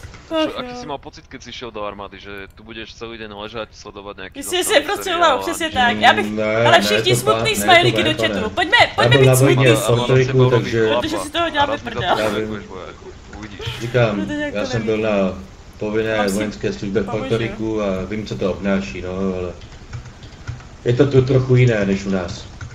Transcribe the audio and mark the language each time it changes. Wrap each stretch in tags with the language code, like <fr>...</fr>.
<sk>Ach, čo, aký si mal pocit, keď si šiel do armády, že tu budeš celý deň ležať, sledovať nejaký...</sk> <cs>Myslím, že si je proste hlavu, přesně tak, já bych... Ale všichni smutný smajlíky do chatu,</cs> <sk>poďme byť smutný.</sk> <cs>Já byl na vojně, takže... Protože si toho děláme prdel. Já vím, říkám, já jsem byl na povinné vojenské službě v Portoriku a vím, co to obnáší, no, ale je to tu trochu jiné než u nás.</cs>